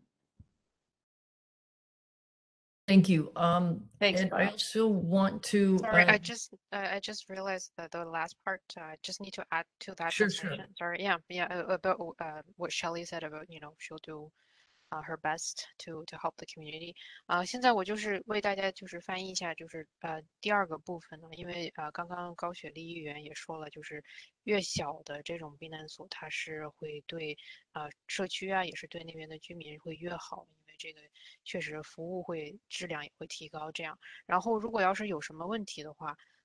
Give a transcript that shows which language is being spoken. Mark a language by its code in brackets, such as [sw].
[zh] 这个评价就是这样说，议员给了这种权利，那么得出这个结论。那么，在城市当中，小的这种避难所更多，那么对社区来说是更加的这个安全。 [en] Thank you. And I also want to. Sorry, I just realized that the last part. I just need to add to that. Sure. Sorry. Yeah. About what Shelley said about, you know, she'll do her best to help the community. [zh] 现在我就是为大家就是翻译一下，就是第二个部分呢，因为刚刚高雪丽议员也说了，就是越小的这种避难所，它是会对社区啊，也是对那边的居民会越好，因为这个确实服务会质量也会提高这样。然后如果要是有什么问题的话。